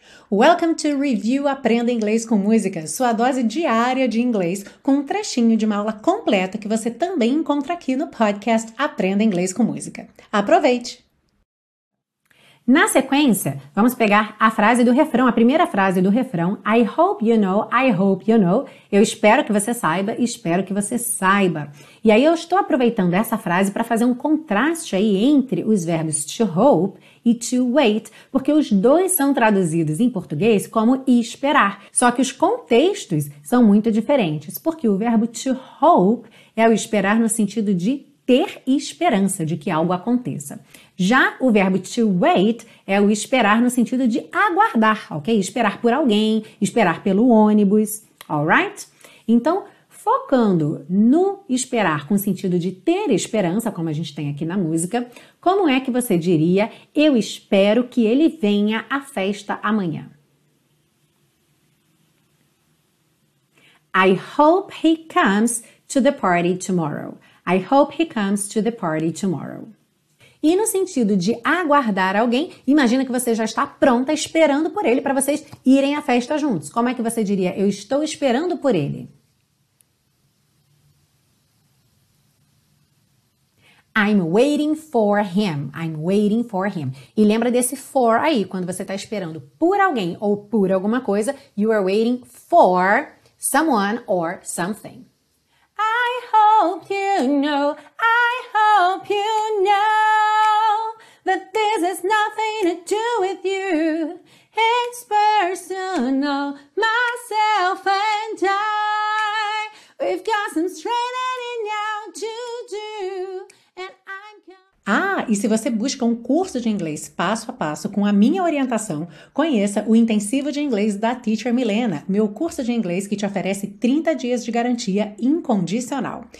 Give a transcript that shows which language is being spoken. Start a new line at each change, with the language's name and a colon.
English: Welcome to
Portuguese: Review Aprenda Inglês com Música, sua dose diária de inglês, com um trechinho de uma aula completa que você também encontra aqui no podcast Aprenda Inglês com Música. Aproveite! Na sequência, vamos pegar a frase do refrão, a primeira frase do refrão.
English: I hope you know, I hope you know.
Portuguese: Eu espero que você saiba, espero que você saiba. E aí eu estou aproveitando essa frase para fazer um contraste aí entre os verbos to hope e to wait, porque os dois são traduzidos em português como esperar. Só que os contextos são muito diferentes, porque o verbo to hope é o esperar no sentido de ter esperança de que algo aconteça. Já o verbo to wait é o esperar no sentido de aguardar, ok? Esperar por alguém, esperar pelo ônibus, alright? Então, focando no esperar com sentido de ter esperança, como a gente tem aqui na música, como é que você diria: eu espero que ele venha à festa amanhã?
English: I hope he comes to the party tomorrow. I hope he comes to the party tomorrow.
Portuguese: E no sentido de aguardar alguém, imagina que você já está pronta esperando por ele para vocês irem à festa juntos. Como é que você diria: eu estou esperando por ele?
English: I'm waiting for him.
Portuguese: I'm waiting for him. E lembra desse for aí, quando você está esperando por alguém ou por alguma coisa,
English: you are waiting for someone or something. I hope you know, I hope you know that this has nothing to do with you. It's personal, myself and I. We've got some straightening out to do, and
Portuguese: Ah, e se você busca um curso de inglês passo a passo com a minha orientação, conheça o Intensivo de Inglês da Teacher Milena, meu curso de inglês que te oferece 30 dias de garantia incondicional.